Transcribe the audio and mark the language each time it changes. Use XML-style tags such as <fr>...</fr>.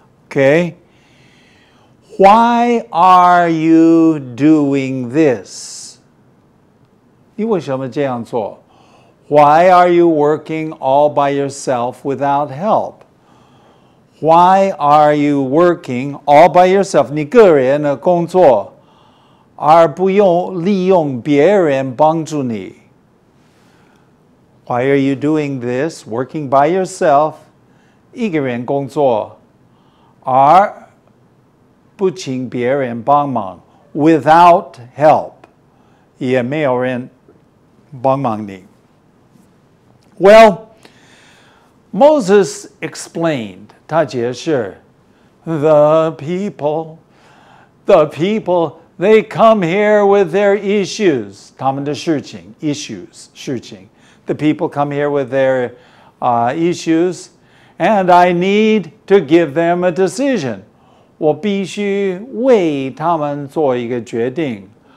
<en>Okay? Why are you doing this?</en> <zh>你为什么这样做?</zh> <en>Why are you working all by yourself without help? Why are you working all by yourself?</en> <zh>你个人的工作而不用利用别人帮助你。</zh> <en>Why are you doing this, working by yourself,</en> <zh>一个人工作, 而不请别人帮忙,</zh> <en>without help,</en> <zh>也没有人帮忙你?</zh> <en>Well, Moses explained,</en> <zh>他解释,</zh> <en>the people, they come here with their issues,</en> <zh>他们的事情,</zh> <en>issues, 事情。 The people come here with their issues, and I need to give them a decision.</en> <zh>我必须为他们做一个决定。</zh>